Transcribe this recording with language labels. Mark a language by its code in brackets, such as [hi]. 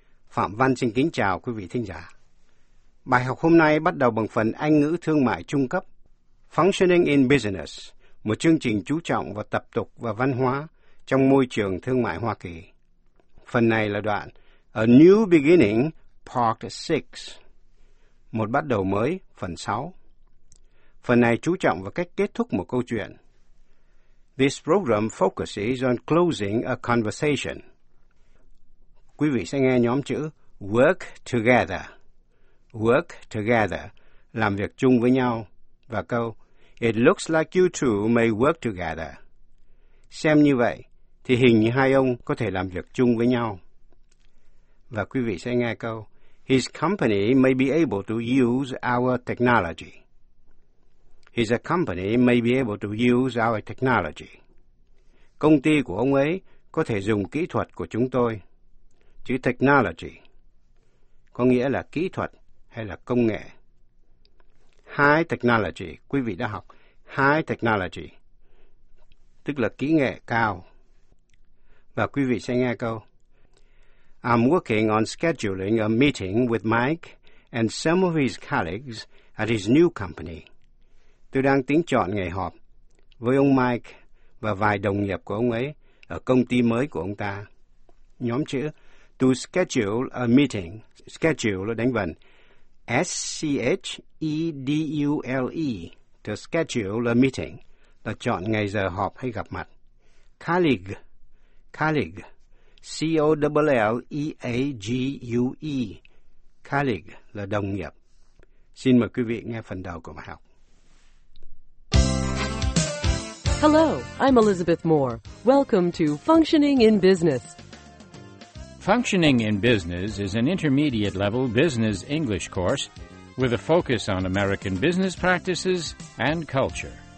[vi] Phạm Văn xin kính chào quý vị thính giả. Bài học hôm nay bắt đầu bằng phần Anh ngữ thương mại trung cấp, Functioning in Business, một chương trình chú trọng vào tập tục và văn hóa trong môi trường thương mại Hoa Kỳ. Phần này là đoạn A New Beginning, Part 6, một bắt đầu mới, phần 6. Phần này chú trọng vào cách kết thúc một câu chuyện. [en] This program focuses on closing a conversation. [vi] Quý vị sẽ nghe nhóm chữ [en] work together. Work together, [vi] làm việc chung với nhau. Và câu, [en] it looks like you two may work together. [vi] Xem như vậy, thì hình như hai ông có thể làm việc chung với nhau. Và quý vị sẽ nghe câu, [en] his company may be able to use our technology. His company may be able to use our technology. [vi] Công ty của ông ấy có thể dùng kỹ thuật của chúng tôi. Chữ technology có nghĩa là kỹ thuật hay là công nghệ. Hai technology, quý vị đã học. Hai technology, tức là kỹ nghệ cao. Và quý vị sẽ nghe câu. [en] I'm working on scheduling a meeting with Mike and some of his colleagues at his new company. [vi] Tôi đang tính chọn ngày họp với ông Mike và vài đồng nghiệp của ông ấy ở công ty mới của ông ta. Nhóm chữ [en] to schedule a meeting. [vi] Schedule là đánh vần. S-C-H-E-D-U-L-E. [en] To schedule a meeting [vi] là chọn ngày giờ họp hay gặp mặt. Colleague. Colleague. C-O-L-L-E-A-G-U-E. Colleague là đồng nghiệp. Xin mời quý vị nghe phần đầu của bài học. [en] Hello, I'm Elizabeth Moore. Welcome to Functioning in Business. Functioning in Business is an intermediate level business English course with a focus on American business practices and culture.